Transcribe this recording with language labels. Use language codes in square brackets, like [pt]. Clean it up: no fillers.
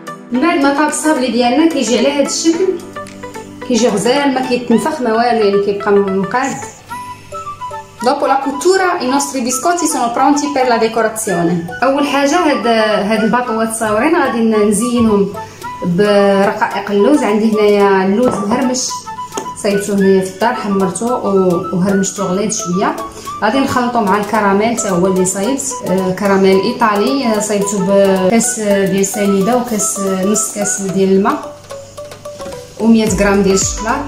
[ar] بعد ما طاب الصابلي ديالنا كيجي على هذا الشكل، كيجي غزال ما كيتنفخ ما والو، يعني كيبقى مقاد. [it] Dopo la cottura i nostri biscotti sono pronti per la decorazione. [ar] اول حاجه هاد الباطوات الصغيرين غادي نزينهم برقائق اللوز. عندي هنايا اللوز مهرمش، صايبته هنايا في الدار، حمرته وهرمشته غليظ شويه. غادي نخلطو مع الكراميل حتى هو اللي صايبت، كراميل ايطالي صايبته بكاس ديال السنيده وكاس نص كاس ديال الماء و100 غرام ديال الشوكولا.